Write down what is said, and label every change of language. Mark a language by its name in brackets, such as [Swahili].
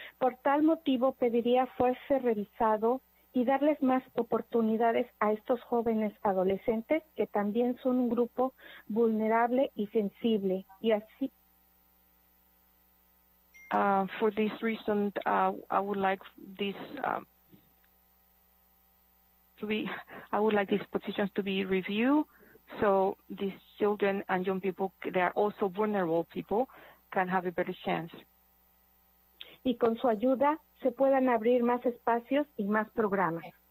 [Spanish] Por tal motivo, pediría fuese revisado y darles más oportunidades a estos jóvenes adolescentes que también son un grupo vulnerable y sensible. Y así. [English] For this reason, I would like these positions to be reviewed, so these children and young people, they are also vulnerable people, can have a better chance. [Spanish] Y con su ayuda se puedan abrir más espacios y más programas.